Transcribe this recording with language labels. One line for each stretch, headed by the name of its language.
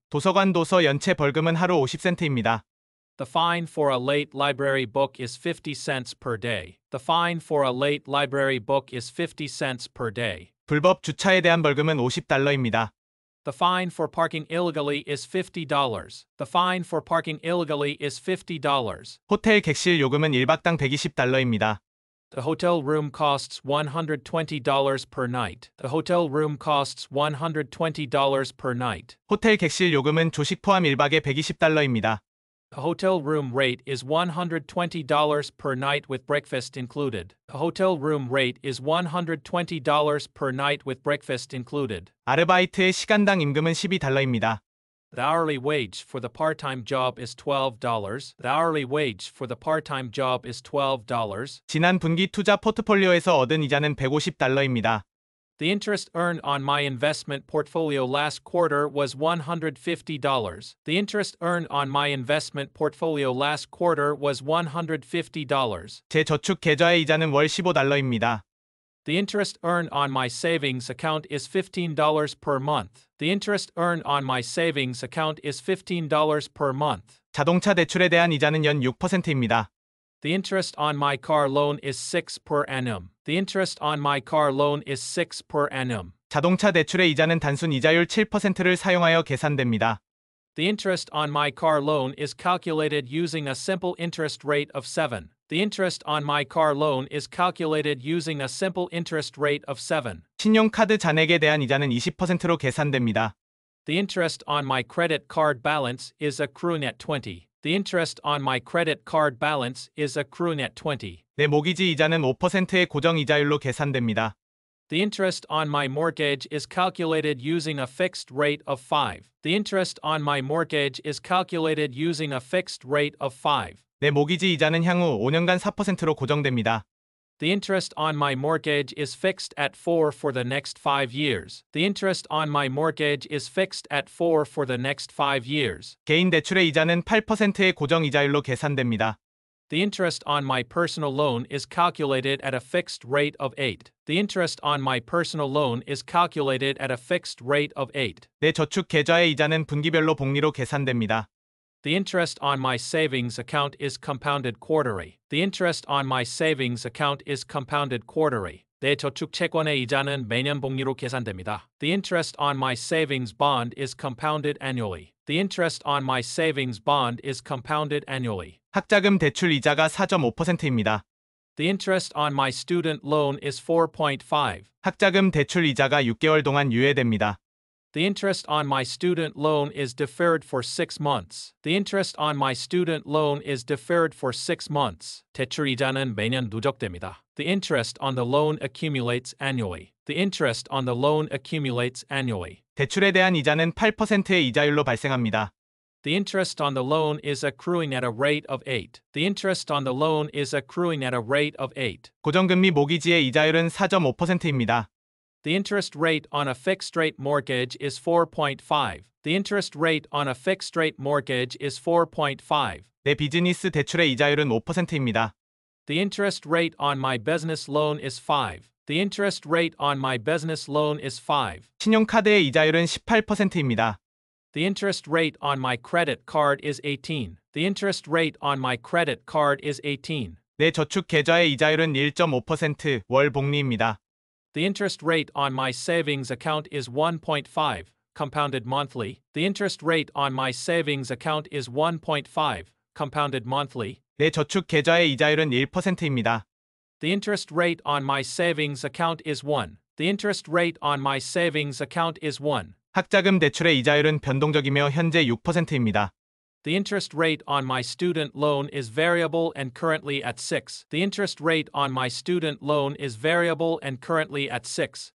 Korean: 도서관 도서 연체 벌금은 하루 50센트입니다.
English: The fine for a late library book is 50 cents per day. The fine for a late library book is 50 cents per day.
Korean: 불법 주차에 대한 벌금은 $50입니다.
English: The fine for parking illegally is $50. The fine for parking illegally is $50.
Korean: 호텔 객실 요금은 1박당 $120입니다.
English: The hotel room costs $120 per night. The hotel room costs $120 per night.
Korean: 호텔 객실 요금은 조식 포함 1박에 $120입니다.
English: The hotel room rate is $120 per night with breakfast included. The hotel room rate is $120 per night with breakfast included.
Korean: 아르바이트의 시간당 임금은 $12입니다.
English: The hourly wage for the part-time job is $12. The hourly wage for the part-time job is $12.
Korean: 지난 분기 투자 포트폴리오에서 얻은 이자는 $150입니다.
English: The interest earned on my investment portfolio last quarter was $150. The interest earned on my investment portfolio last quarter was $150.
Korean: 제 저축 계좌의 이자는 월 $15입니다.
English: The interest earned on my savings account is $15 per month. The interest earned on my savings account is $15 per month.
Korean: 자동차 대출에 대한 이자는 연 6%입니다.
English: The interest on my car loan is 6 per annum. The interest on my car loan is 6 per annum.
Korean: 자동차 대출의 이자는 단순 이자율 7%를 사용하여 계산됩니다.
English: The interest on my car loan is calculated using a simple interest rate of 7. The interest on my car loan is calculated using a simple interest rate of 7.
Korean: 신용카드 잔액에 대한 이자는 20%로 계산됩니다.
English: The interest on my credit card balance is accruing at 20. The interest on my credit card balance is accruing at 20.
Korean: 내 모기지 이자는 5%의 고정 이자율로 계산됩니다.
English: The interest on my mortgage is calculated using a fixed rate of 5. The interest on my mortgage is calculated using a fixed rate of 5.
Korean: 내 모기지 이자는 향후 5년간 4%로 고정됩니다.
English: The interest on my mortgage is fixed at 4 for the next 5 years. The interest on my mortgage is fixed at 4 for the next 5 years.
Korean: 개인 대출의 이자는 8%의 고정 이자율로 계산됩니다.
English: The interest on my personal loan is calculated at a fixed rate of 8. The interest on my personal loan is calculated at a fixed rate of 8.
Korean: 내 저축 계좌의 이자는 분기별로 복리로 계산됩니다.
English: The interest on my savings account is compounded quarterly. The interest on my savings account is compounded quarterly.
Korean: 내 저축 채권의 이자는 매년 복리로 계산됩니다.
English: The interest on my savings bond is compounded annually. The interest on my savings bond is compounded annually.
Korean: 학자금 대출 이자가 4.5%입니다.
English: The interest on my student loan is 4.5.
Korean: 학자금 대출 이자가 6개월 동안 유예됩니다.
English: The interest on my student loan is deferred for 6 months. The interest on my student loan is deferred for 6 months.
Korean: 대출 이자는 매년 누적됩니다.
English: The interest on the loan accumulates annually. The interest on the loan accumulates annually.
Korean: 대출에 대한 이자는 8%의 이자율로 발생합니다.
English: The interest on the loan is accruing at a rate of 8. The interest on the loan is accruing at a rate of 8.
Korean: 고정금리 모기지의 이자율은 4.5%입니다.
English: The interest rate on a fixed rate mortgage is 4.5. The interest rate on a fixed rate mortgage is 4.5.
Korean: 내 비즈니스 대출의 이자율은 5%입니다.
English: The interest rate on my business loan is 5. The interest rate on my business loan is 5.
Korean: 신용카드의 이자율은 18%입니다.
English: The interest rate on my credit card is 18. The interest rate on my credit card is 18.
Korean: 내 저축 계좌의 이자율은 1.5% 월 복리입니다.
English: The interest rate on my savings account is 1.5 compounded monthly. The interest rate on my savings account is 1.5 compounded monthly.
Korean: 내 저축 계좌의 이자율은 1%입니다.
English: The interest rate on my savings account is 1. The interest rate on my savings account is 1.
Korean: 학자금 대출의 이자율은 변동적이며 현재 6%입니다.
English: The interest rate on my student loan is variable and currently at 6. The interest rate on my student loan is variable and currently at 6.